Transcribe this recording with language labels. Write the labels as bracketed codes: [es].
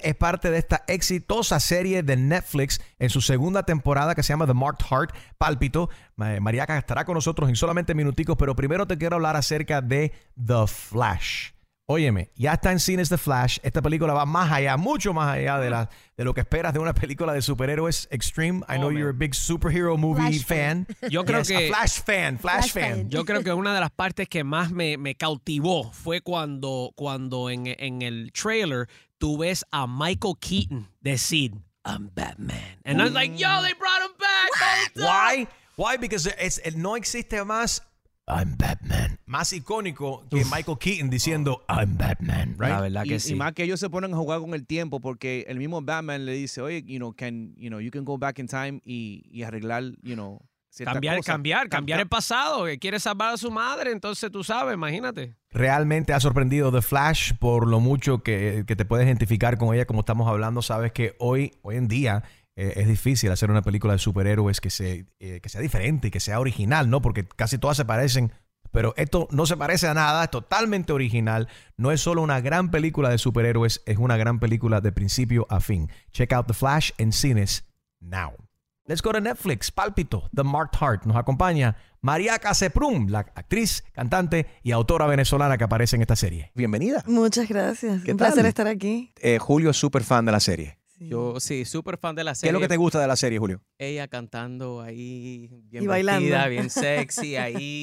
[es] Es parte de esta exitosa serie de Netflix en su segunda temporada que se llama The Marked Heart, Pálpito. Mariaca estará con nosotros en solamente minuticos, pero primero te quiero hablar acerca de The Flash. Óyeme, ya está en cines The Flash. Esta película va más allá, mucho más allá de lo que esperas de una película de superhéroes. [en] Extreme, I know you're a big superhero movie Flash fan. [es] Yo creo que... [en] A Flash fan. [es] Yo creo que una de las partes que más me cautivó fue cuando en el trailer tú ves a Michael Keaton decir, [en] I'm Batman. And I was like, yo, they brought him back. Why? Why? Because it [es] no existe más... [en] I'm Batman. [es] Más icónico que Michael Keaton diciendo, [en] I'm Batman, right? [es] La verdad que sí. Y más que ellos se ponen a jugar con el tiempo porque el mismo Batman le dice, oye, [en] you can go back in time [es] y arreglar, [en] you know, [es] cambiar el pasado, que quiere salvar a su madre, entonces tú sabes, imagínate. Realmente ha sorprendido The Flash por lo mucho que te puedes identificar con ella, como estamos hablando, sabes que hoy en día... es difícil hacer una película de superhéroes que sea diferente y que sea original, ¿no? Porque casi todas se parecen, pero esto no se parece a nada, es totalmente original. No es solo una gran película de superhéroes, es una gran película de principio a fin. [en] Check out The Flash [es] en cines [en] now. Let's go to Netflix, Pálpito, The Marked Heart. [es] Nos acompaña Mariaca Seprum, la actriz, cantante y autora venezolana que aparece en esta serie. Bienvenida. Muchas gracias. Un placer estar aquí. Julio es súper fan de la serie. Yo, sí, súper fan de la serie. ¿Qué es lo que te gusta de la serie, Julio? Ella cantando ahí, bien vestida, bien sexy, ahí.